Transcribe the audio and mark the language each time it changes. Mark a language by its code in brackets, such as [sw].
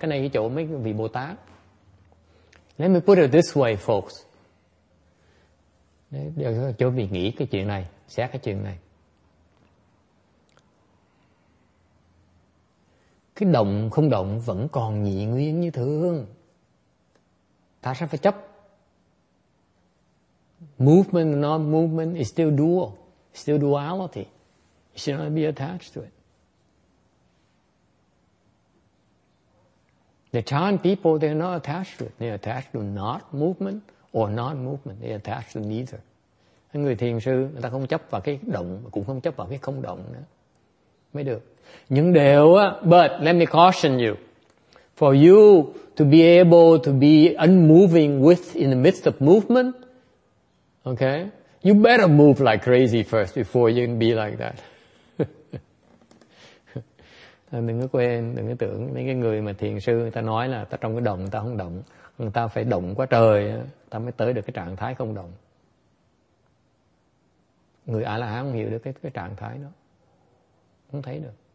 [vi] Cái này cái chỗ mấy vị Bồ Tát. [en] Let me put it this way, folks. [vi] Cho vị nghĩ cái chuyện này, xét cái chuyện này. Cái động không động vẫn còn nhị nguyên như thường. Ta sẽ phải chấp. [en] Movement and non-movement is still dual, still duality. You should not be attached to it. The Chan people, they're not attached to it. They're attached to not movement or non-movement. They're attached to neither. [vi] Người thiền sư, người ta không chấp vào cái động, cũng không chấp vào cái không động nữa. Mới được. Nhưng đều, [en] but let me caution you. For you to be able to be unmoving with in the midst of movement, okay, you better move like crazy first before you can be like that. [vi] Đừng có quên, đừng có tưởng mấy cái người mà thiền sư người ta nói là ta trong cái động ta không động, người ta phải động quá trời ta mới tới được cái trạng thái không động. Người A La Hán không hiểu được cái trạng thái đó, không thấy được.